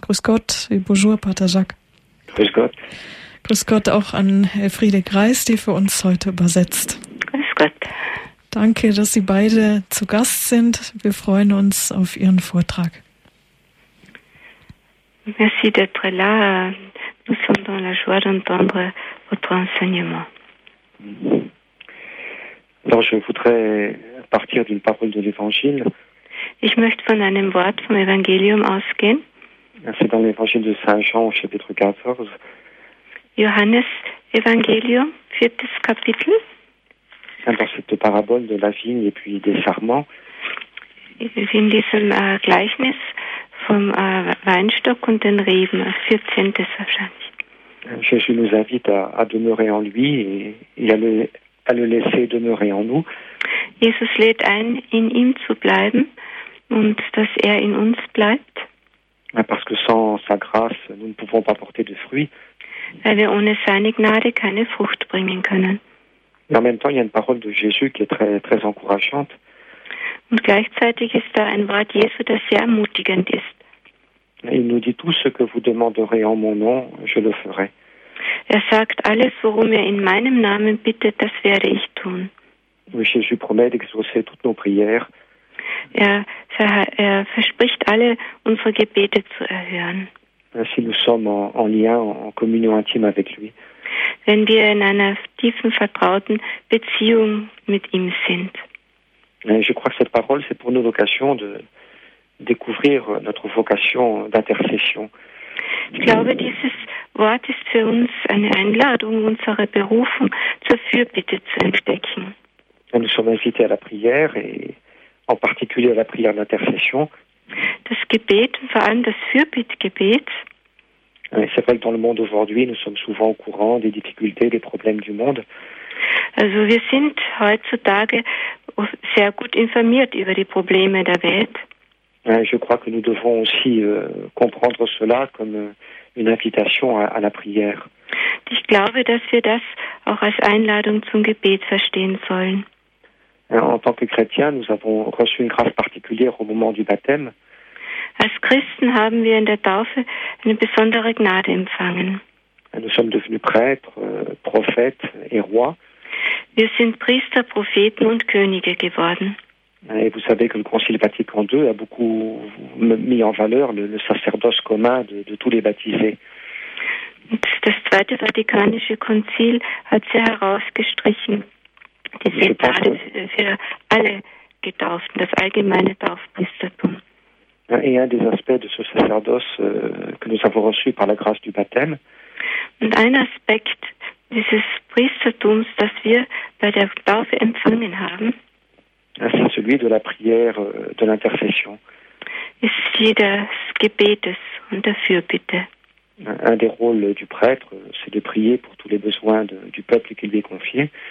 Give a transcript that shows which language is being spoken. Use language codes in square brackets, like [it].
[de] Grüß Gott, bonjour Pater Jacques. Grüß Gott. Grüß Gott auch an Elfriede Greis, die für uns heute übersetzt. Grüß Gott. Danke, dass Sie beide zu Gast sind. Wir freuen uns auf Ihren Vortrag. [fr] Merci d'être là. Nous sommes dans la joie d'entendre votre enseignement. Alors, je voudrais partir d'une parole de l'Évangile. [de] Ich möchte von einem Wort vom Evangelium ausgehen. [fr] C'est dans l'Évangile de Saint Jean, chapitre 14. [de] Johannes Evangelium, viertes Kapitel. [fr] Dans cette parabole de la vigne et puis des sarments. [de] In diesem Gleichnis vom Weinstock und den Reben, 14. wahrscheinlich. [fr] Jésus nous invite à demeurer en lui et à le laisser demeurer en nous. [de] Jesus lädt ein, in ihm zu bleiben und dass er in uns bleibt. [fr] Parce que sans sa grâce, nous ne pouvons pas porter de fruits. [de] Weil wir ohne seine Gnade keine Frucht bringen können. [fr] En même temps, il y a une parole de Jésus qui est très, très encourageante. [de] Und gleichzeitig ist da ein Wort Jesu, das sehr ermutigend ist. [fr] Il nous dit tout ce que vous demanderez en mon nom, je le ferai. [de] Er sagt, alles, worum ihr in meinem Namen bittet, das werde ich tun. [fr] Oui, Jésus promet d'exaucer toutes nos prières. [de] Er verspricht, alle unsere Gebete zu erhören. [fr] Si nous sommes en lien, en communion intime avec lui. [de] Wenn wir in einer tiefen, vertrauten Beziehung mit ihm sind. [fr] Et je crois que cette parole, c'est pour nous l'occasion de découvrir notre vocation d'intercession. [de] Ich glaube, dieses Wort ist für uns eine Einladung, unsere Berufung zur Fürbitte zu entdecken. [fr] Et nous sommes invités à la prière, et en particulier à la prière d'intercession. [de] Das Gebet, vor allem das Fürbittgebet. [fr] C'est vrai que dans le monde aujourd'hui, nous sommes souvent au courant des difficultés, des problèmes du monde. [de] Also, wir sind heutzutage sehr gut informiert über die Probleme der Welt. [fr] Je crois que nous devons aussi comprendre cela comme une invitation à la prière. [de] Ich glaube, dass wir das auch als Einladung zum Gebet verstehen sollen. [fr] En tant que chrétiens, nous avons reçu une grâce particulière au moment du baptême. [de] Als Christen haben wir in der Taufe eine besondere Gnade empfangen. [fr] Nous sommes devenus prêtres, prophètes et rois. [de] Wir sind Priester, Propheten und Könige geworden. [fr] Et vous savez que le Concile Vatican II a beaucoup mis en valeur le sacerdoce commun de tous les baptisés. [de] Das Zweite Vatikanische Konzil hat sehr herausgestrichen, die sind gerade für alle Getauften, das allgemeine Taufpriestertum. [fr] Et un des aspects de ce sacerdoce que nous avons reçu par la grâce du baptême. [de] Und ein Aspekt dieses Priestertums, das wir bei der Taufe empfangen haben, [fr] c'est celui de la prière de l'intercession. [de] Ist die des Gebetes und der Fürbitte. [fr] Un des rôles du prêtre, c'est de prier pour tous les besoins du peuple qui lui est confié.